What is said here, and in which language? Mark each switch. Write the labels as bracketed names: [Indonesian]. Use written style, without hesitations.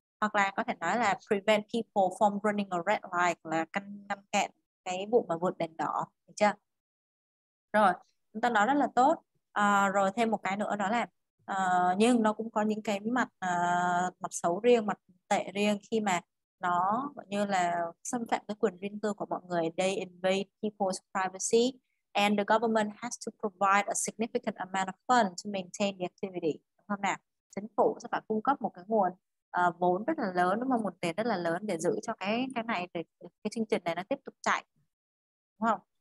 [Vietnamese] Hoặc là có thể nói là [English] prevent people from running a red light, [Vietnamese] là ngăn chặn cái vụ mà vượt đèn đỏ, được chưa? Rồi, chúng ta nói rất là tốt. Rồi thêm một cái nữa đó là nhưng nó cũng có những cái mặt mặt xấu riêng, mặt tệ riêng khi mà nó như là xâm phạm cái quyền riêng tư của mọi người. [English] They invade people's privacy and the government has to provide a significant amount of funds to maintain the activity. [Vietnamese] Đúng không nào? Chính phủ sẽ phải cung cấp một cái nguồn vốn rất là lớn, đúng không? Một tiền rất là lớn để giữ cho cái này, để cái chương trình này nó tiếp tục chạy, đúng không?